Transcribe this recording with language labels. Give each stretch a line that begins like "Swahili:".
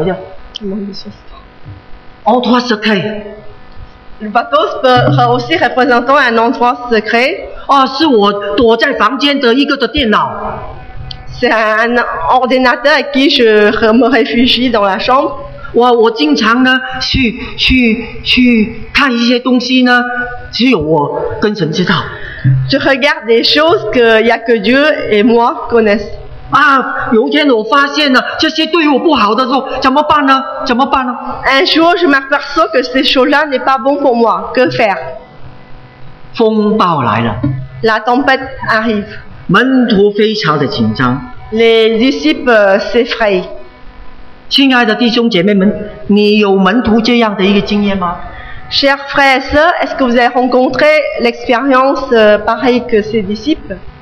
Chinese: 船呢，可能是代表我很经营的一个的secret，是吧？我叫。
French: Entre secret. Le bateau peut aussi représenter un endroit secret.
Chinese: 哦，是我躲在房间的一个的电脑。
French: C'est un ordinateur à qui je me réfugie dans la chambre.
Chinese: 我经常呢去看一些东西呢，只有我跟神知道。
French: Je regarde des choses que il y a que Dieu et moi connaissent.
Chinese: 啊, 有一天我发现了这些对我不好的时候，怎么办呢？怎么办呢？
French: Un jour, je m'aperçois que ces choses-là n'est pas bon pour moi. Que faire?
Chinese: 风暴来了。
French: La tempête arrive.
Chinese: 门徒非常的紧张。
French: Les disciples s'effrayent.
Chinese: 亲爱的弟兄姐妹们， 你有门徒这样的一个经验吗？
French: Chers frères et sœurs, est-ce que vous avez rencontré l'expérience pareille que ces disciples?